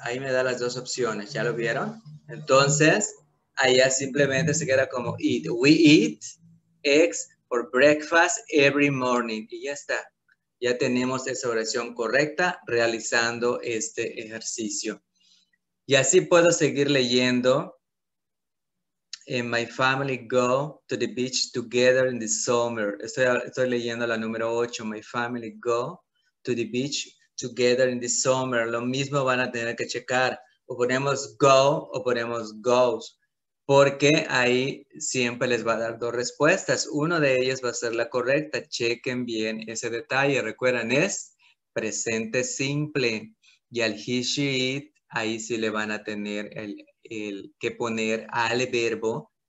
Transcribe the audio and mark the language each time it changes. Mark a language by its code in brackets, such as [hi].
[es] Ahí me da las dos opciones. ¿Ya lo vieron? Entonces, allá simplemente se queda como it. [en] We eat eggs for breakfast every morning. [es] Y ya está. Ya tenemos esa oración correcta realizando este ejercicio. Y así puedo seguir leyendo. [en] And my family go to the beach together in the summer. [es] Estoy leyendo la número 8. [en] My family go to the beach together in the summer. [es] Lo mismo van a tener que checar. O ponemos go o ponemos goes. Porque ahí siempre les va a dar dos respuestas. Uno de ellas va a ser la correcta. Chequen bien ese detalle. Recuerden, es presente simple. Y al he, she, it, ahí sí le van a tener el que poner al verbo.